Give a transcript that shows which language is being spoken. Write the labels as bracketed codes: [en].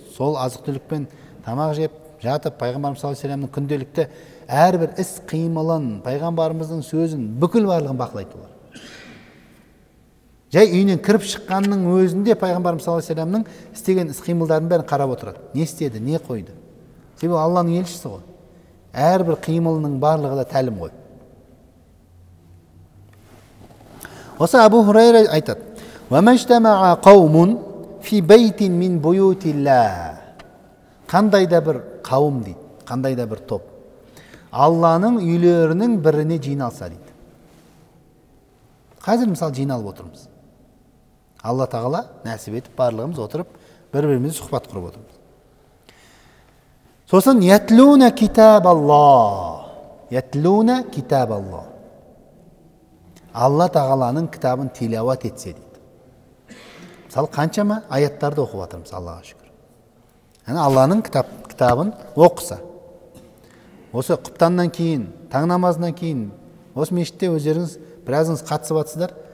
[kk] Сол азық түлікпен тамақ жеп, жатып пайғамбарымыз саллаллаһу алейхи уассаламның күнделікті әрбір іс қимылын, пайғамбарымыздың сөзін, бүкіл барлығын бақылайды олар. Жай үйінен кіріп шыққанның өзінде пайғамбарымыз саллаллаһу алейхи уассаламның істеген іс қимылдарын бәрін қарап отырады. Не істеді, не қойды? Себебі Алланың елшісі ғой. Әрбір қимылының барлығы да тәлім ғой. Осы Абу Хурайра айтады: [ar] "Уаман штамаа қаумун фи байтин мин буйутилла". [kk] Қандай да бір қауым дейді, қандай да бір топ Алланың үйлерінің біріне жиналса дейді. Қазір мысалы жиналып отырмыз. Алла Тағала нәсіп етіп барлығымыз отырып бір-бірімізбен сұхбат құрып отырмыз. Сосын [ar] ятлуна китаб Алла. Ятлуна китаб Алла. [kk] Алла Тағаланың кітабын тилауат етсе дейді. Мысалы қаншама аяттарды оқып отырмыз Аллаға шүкір. Яғни Алланың кітабын оқыса. Осы құптаннан кейін, таң намазынан кейін осы мешітте өздеріңіз біразыңыз қатысып отырсыздар.